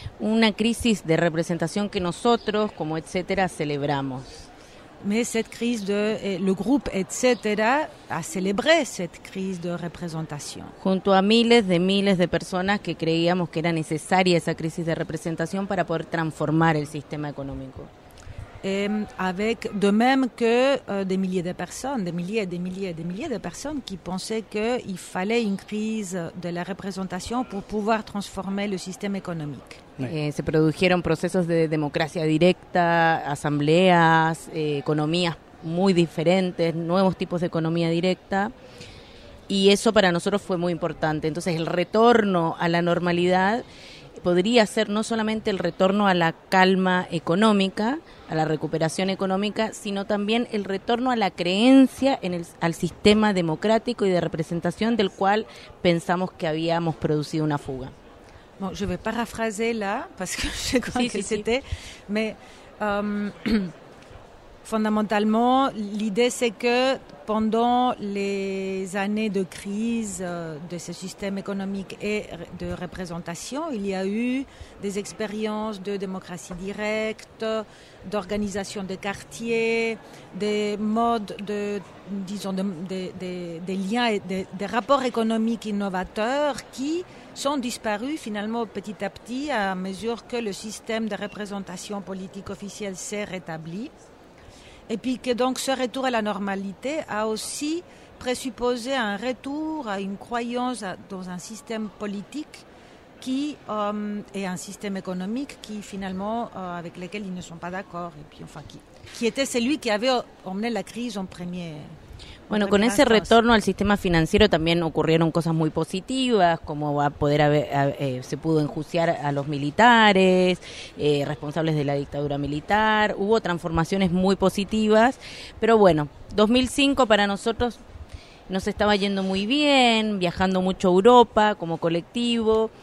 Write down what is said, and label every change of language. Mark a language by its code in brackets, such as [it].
[es] Una crisis de representación que nosotros, como etcétera, celebramos. [fr] Mais cette crise de le groupe etcétera a célébré cette crise de représentation. [es] Junto a miles de personas que creíamos que era necesaria esa crisis de representación para poder transformar el sistema económico. [fr] et avec de même que des milliers de personnes, des milliers et des milliers et des milliers de personnes qui pensaient qu'il fallait une crise de la représentation pour pouvoir transformer le système économique. [es] Se produjeron procesos de democracia directa, asambleas, economías muy diferentes, nuevos tipos de economía directa. Y eso para nosotros fue muy importante. Entonces el retorno a la normalidad podría ser no solamente el retorno a la calma económica, a la recuperación económica, sino también el retorno a la creencia en el, al sistema democrático y de representación del cual pensamos que habíamos producido una fuga. [fr] Bon, je vais paraphraser là, parce que je crois que c'était, mais fondamentalement, l'idée c'est que pendant les années de crise de ce système économique et de représentation, il y a eu des expériences de démocratie directe, d'organisation de quartiers, des modes de, disons, des liens et des rapports économiques innovateurs qui sont disparus finalement petit à petit à mesure que le système de représentation politique officielle s'est rétabli. Et puis que donc ce retour à la normalité a aussi présupposé un retour à une croyance dans un système politique qui et un système économique qui finalement avec lequel ils ne sont pas d'accord et puis enfin qui était celui qui avait emmené la crise en premier. [es] Bueno, con ese retorno al sistema financiero también ocurrieron cosas muy positivas, como a poder se pudo enjuiciar a los militares, responsables de la dictadura militar. Hubo transformaciones muy positivas, pero bueno, 2005 para nosotros nos estaba yendo muy bien, viajando mucho a Europa como colectivo.